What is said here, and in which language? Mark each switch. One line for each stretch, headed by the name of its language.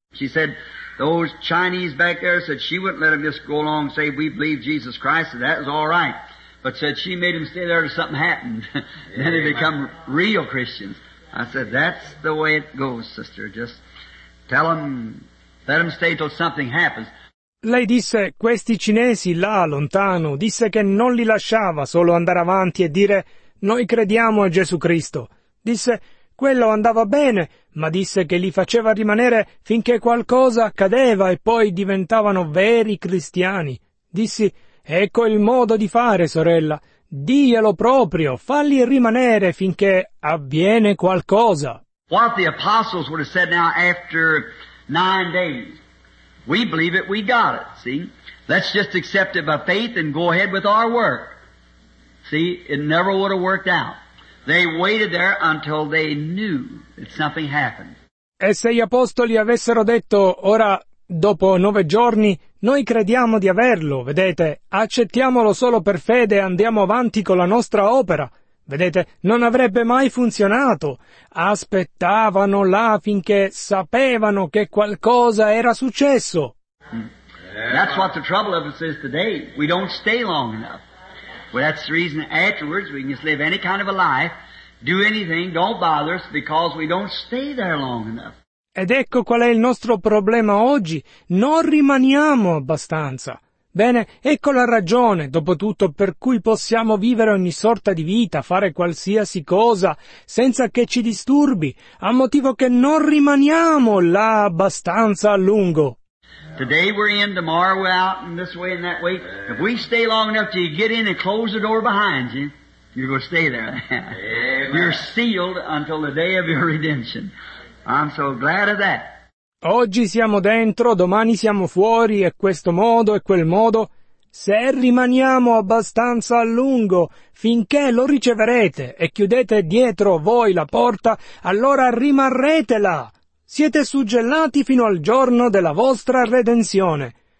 English: She said, those Chinese back there said she wouldn't let them just go along and say we believe Jesus Christ, and that was all right. But said she made them stay there till something happened. Then they become real Christians. I said, that's the way it goes, sister. Just tell them, let them stay till something happens.
Italian: Lei disse, questi cinesi là, lontano, disse che non li lasciava solo andare avanti e dire, noi crediamo a Gesù Cristo. Disse, quello andava bene, ma disse che li faceva rimanere finché qualcosa accadeva e poi diventavano veri cristiani. Dissi, ecco il modo di fare, sorella. Diglielo proprio, falli rimanere finché avviene qualcosa.
English: What the apostles would have said now after 9 days. We believe it, we got it, see? Let's just accept it by faith and go ahead with our work. See, it never would have worked out. They waited there until they knew that something happened.
Italian: E se gli apostoli avessero detto, ora Dopo 9 giorni, noi crediamo di averlo, vedete? Accettiamolo solo per fede e andiamo avanti con la nostra opera. Vedete, non avrebbe mai funzionato. Aspettavano là finché sapevano che qualcosa era successo.
English: That's what the trouble of us is today. We don't stay long enough. Well, that's the reason afterwards we can just live any kind of a life, do anything, don't bother us, because we don't stay there long enough.
Italian: Ed ecco qual è il nostro problema oggi. Non rimaniamo abbastanza. Bene, ecco la ragione, dopo tutto, per cui possiamo vivere ogni sorta di vita, fare qualsiasi cosa, senza che ci disturbi, a motivo che non rimaniamo là abbastanza a lungo.
English: Today we're in, tomorrow we're out, and this way and that way. If we stay long enough till you get in and close the door behind you, you're going to stay there. You're sealed until the day of your redemption. I'm so glad of that.
Italian: Oggi siamo dentro, domani siamo fuori, e questo modo e quel modo. Se rimaniamo abbastanza a lungo, finché lo riceverete e chiudete dietro voi la porta, allora rimarrete là. Siete suggellati fino al giorno della vostra redenzione.